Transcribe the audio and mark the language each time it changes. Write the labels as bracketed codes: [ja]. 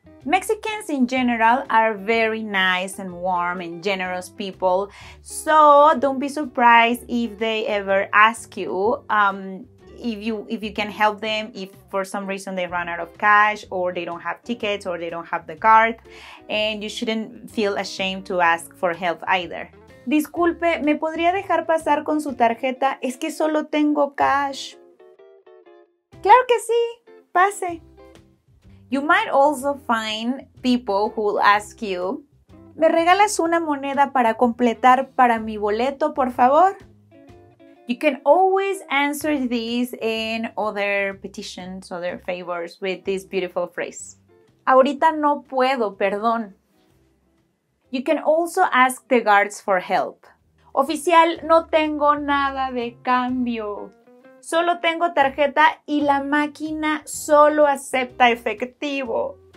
[en] Mexicans in general are very nice and warm and generous people, so don't be surprised if they ever ask you if you can help them if for some reason they run out of cash or they don't have tickets or they don't have the card, and you shouldn't feel ashamed to ask for help either. [es] Disculpe, ¿me podría dejar pasar con su tarjeta? Es que solo tengo cash. Claro que sí, pase. [en] You might also find people who will ask you, [es] ¿Me regalas una moneda para completar para mi boleto, por favor? [en] You can always answer this in other petitions, other favors with this beautiful phrase. [es] Ahorita no puedo, perdón. [en] You can also ask the guards for help. [es] Oficial, no tengo nada de cambio. Solo tengo tarjeta y la máquina solo acepta efectivo.